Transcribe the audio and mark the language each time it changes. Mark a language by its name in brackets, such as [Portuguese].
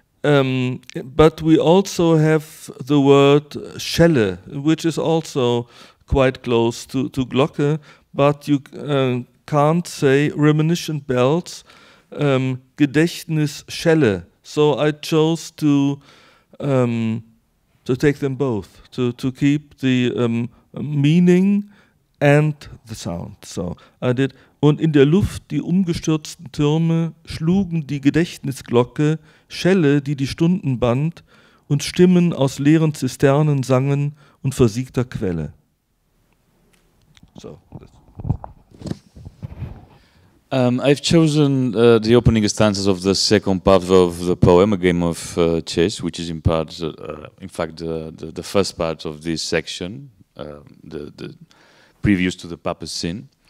[English] But we also have the word Schelle, which is also quite close to Glocke, but you can't say reminiscent bells, Gedächtnis Schelle. So I chose to take them both, to keep the meaning and the sound. So I did, [German] und in der Luft die umgestürzten Türme schlugen die Gedächtnisglocke, Schelle, die die Stunden band, und Stimmen aus leeren Zisternen sangen und versiegter Quelle. [English] So. I've chosen the opening stanzas of the second part of the poem, A Game of Chess, which is in part, in fact, the first part of this section, the previous to the Papa's scene.